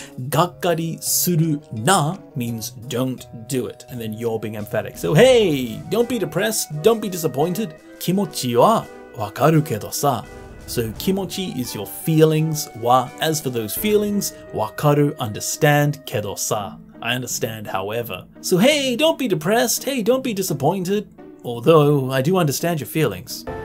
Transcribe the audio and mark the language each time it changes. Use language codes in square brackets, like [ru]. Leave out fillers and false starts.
[ja] がっかり suru na [en] means don't do it, and then you're being emphatic. So hey, don't be depressed, don't be disappointed. [ja] 気持ちはわかるけどさ. [en] So kimochi is your feelings, wa, as for those feelings, wakaru, understand, [ja] kedo sa, [en] I understand, however. So hey, don't be depressed, hey, don't be disappointed, although I do understand your feelings.